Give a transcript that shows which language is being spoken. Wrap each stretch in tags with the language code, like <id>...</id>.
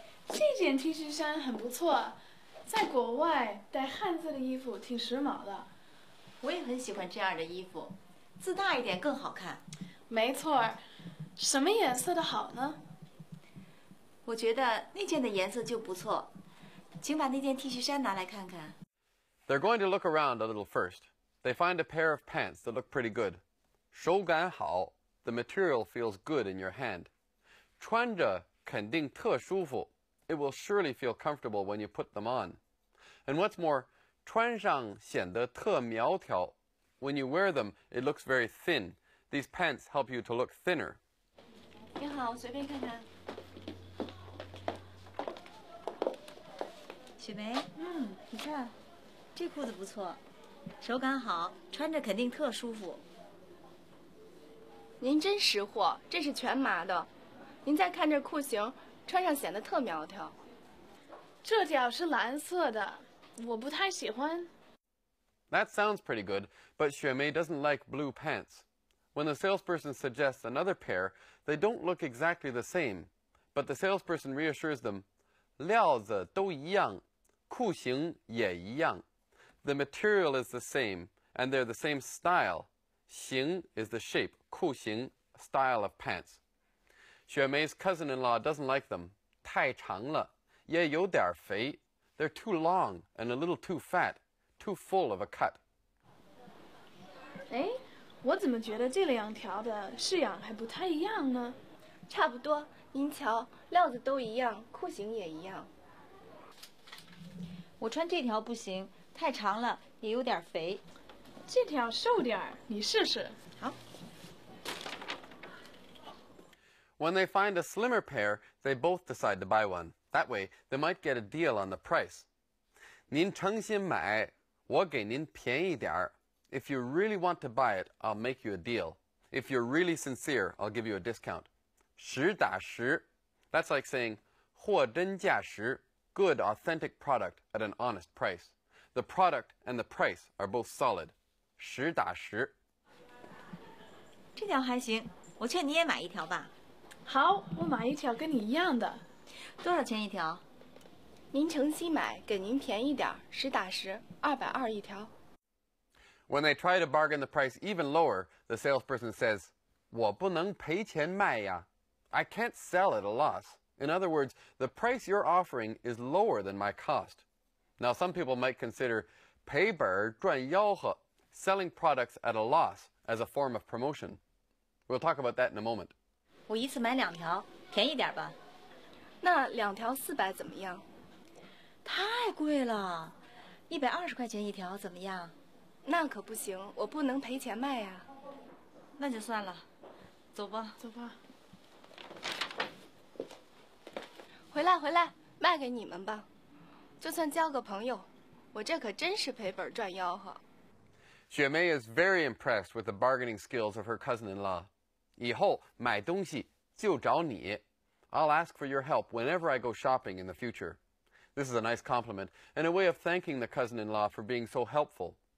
<zh>这件T恤衫很不错，在国外带汉字的衣服挺时髦的。我也很喜欢这样的衣服，字大一点更好看。没错，什么颜色的好呢？我觉得那件的颜色就不错，请把那件T恤衫拿来看看。</zh> <en>They're going to look around a little first. They find a pair of pants that look pretty good.</en> <zh>手感好,</zh> <en>the material feels good in your hand.</en> <zh>穿着肯定特舒服。</zh> <en>It will surely feel comfortable when you put them on. And what's more,</en> <zh>穿上显得特苗条.</zh> <en>When you wear them, it looks very thin. These pants help you to look thinner.</en> <zh>你好，随便看看。雪梅，你看，这裤子不错，手感好，穿着肯定特舒服。您真识货，这是全麻的。您再看这裤型，穿上显得特苗条。这条是蓝色的，我不太喜欢。</zh> <en>That sounds pretty good, but 雪梅 doesn't like blue pants. When the salesperson suggests another pair, they don't look exactly the same. But the salesperson reassures them,</en> <zh>料子都一样，裤型也一样。</zh> <en>The material is the same, and they're the same style. 型 is the shape, 裤型 style of pants. 雪梅's cousin-in-law doesn't like them.</en> <zh>太长了，也有点肥。</zh> <en>They're too long and a little too fat, too full of a cut.</en> <zh>哎，我怎么觉得这两条的式样还不太一样呢？差不多，您瞧，料子都一样，裤型也一样。我穿这条不行。太长了，也有点肥。这条瘦点儿，你试试。好。</zh> <en>When they find a slimmer pair, they both decide to buy one. That way, they might get a deal on the price.</en> <zh>您诚心买，我给您便宜点儿。</zh> <en>If you really want to buy it, I'll make you a deal. If you're really sincere, I'll give you a discount.</en> <zh>实打实。</zh> <en>That's like saying,</en> <zh>货真价实</zh> <en>good authentic product at an honest price. The product and the price are both solid.</en> <zh>实打实。这条还行，我劝你也买一条吧。好，我买一条跟你一样的。多少钱一条？您诚心买，给您便宜点，实打实，220一条。</zh> <en>When they try to bargain the price even lower, the salesperson says,</en> <zh>我不能赔钱卖呀。</zh> <en>I can't sell at a loss. In other words, the price you're offering is lower than my cost. Now, some people might consider</en> <zh>赔本赚吆喝</zh> <en>selling products at a loss as a form of promotion. We'll talk about that in a moment.</en> <zh>我一次买两条，便宜点吧。那两条400怎么样？太贵了，120块钱一条怎么样？那可不行，我不能赔钱卖呀。那就算了，走吧，走吧。回来，回来，卖给你们吧。就算交个朋友，我这可真是赔本赚吆喝。</zh> <en>雪梅 is very impressed with the bargaining skills of her cousin-in-law.</en> <zh>以后买东西就找你。</zh> <en>I'll ask for your help whenever I go shopping in the future. This is a nice compliment and a way of thanking the cousin-in-law for being so helpful.</en>